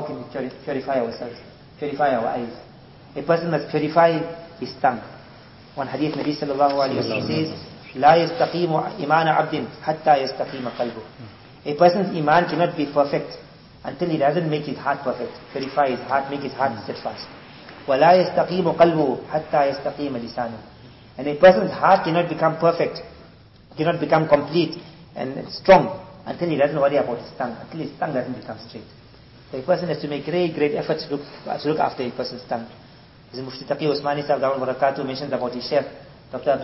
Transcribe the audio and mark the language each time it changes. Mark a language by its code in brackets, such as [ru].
[en] How can we purify ourselves? Purify our eyes. A person must purify his tongue. One hadith Nabi sallallahu alayhi wa sallam says, [ar] لا يستقيم إيمان عبد حتى يستقيم قلبه. [en] A person's iman cannot be perfect until he doesn't make his heart perfect. Purify his heart, make his heart steadfast. [ar] ولا يستقيم قلبه حتى يستقيم لسانه. [en] And a person's heart cannot become perfect, cannot become complete and strong until he doesn't worry about his tongue, until his tongue doesn't become straight. So a person has to make great, great efforts to look after a person's tongue. As Mufti Taqi Usmani Sahib Dawan Barakatuh mentions about his chef, Dr.